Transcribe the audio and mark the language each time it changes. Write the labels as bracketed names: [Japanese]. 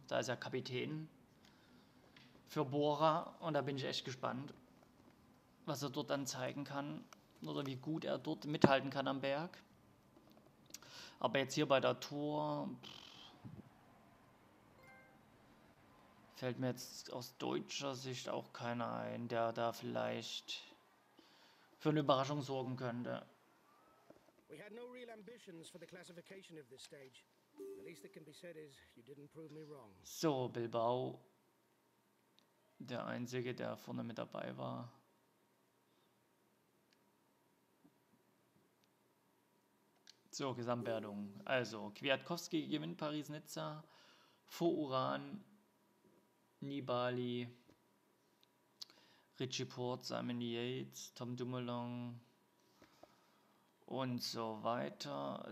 [German] Da ist er Kapitän für Bora und da bin ich echt gespannt, was er dort dann zeigen kann oder wie gut er dort mithalten kann am Berg. Aber jetzt hier bei der Tour fällt mir jetzt aus deutscher Sicht auch keiner ein, der da vielleicht für eine Überraschung sorgen könnte. [English] We had no real ambitions for the classification of this stage. The least that can be said is you didn't prove me wrong. [German] So, Bilbao, der Einzige, der vorne mit dabei war. So, Gesamtwertung. Also, Kwiatkowski gewinnt Paris-Nizza vor Uran, Nibali, Richie Porte, Simon Yates, Tom Dumoulin und so weiter.